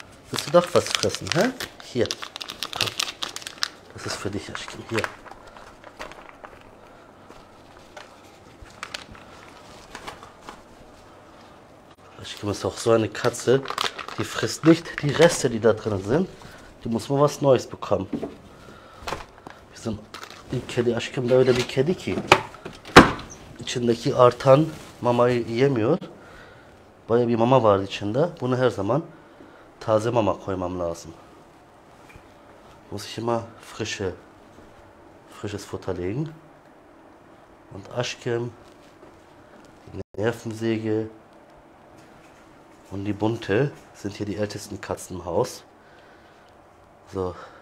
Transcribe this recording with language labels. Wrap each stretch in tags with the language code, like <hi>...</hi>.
<de>Willst du doch was fressen, hä? Hier. Komm. Das ist für dich, Aschkim. Hier. Aschkim ist auch so eine Katze. Die frisst nicht die Reste, die da drin sind. Die muss mal was Neues bekommen.</de> <tr>Bizim kedi aşkım da öyle bir kedi ki içindeki artan mamayı yemiyor. Bayağı bir mama vardı içinde. Bunu her zaman taze mama koymam lazım.</tr> <de>Muss ich immer frisches Futter legen. Und Aşkım, die Nervensäge und die Bunte sind hier die ältesten Katzen im Haus. So.</de>